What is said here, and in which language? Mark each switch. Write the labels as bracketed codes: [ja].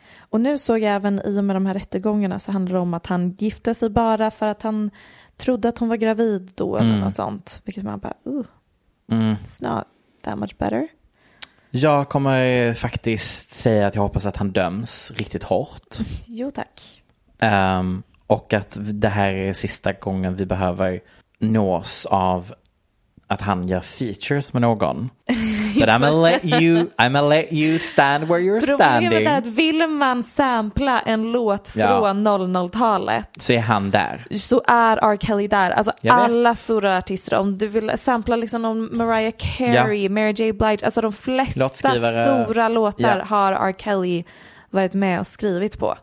[sv] Och nu såg jag även i och med de här rättegångarna så handlar det om att han gifte sig bara för att han trodde att hon var gravid då eller något sånt. Vilket man bara, [en] it's not that much better. [sv] Jag kommer faktiskt säga att jag hoppas att han döms riktigt hårt. Jo, tack. Och att det här är sista gången vi behöver nås av att han gör features med någon. [en] But I'm gonna let you stand where you're [sv] problemet [en] standing. [sv] Problemet är att vill man sampla en låt från 00-talet. Så är han där. Så är R. Kelly där. Alltså alla stora artister. Om du vill sampla liksom någon Mariah Carey, Mary J. Blige. Alltså de flesta stora låtar har R. Kelly varit med och skrivit på.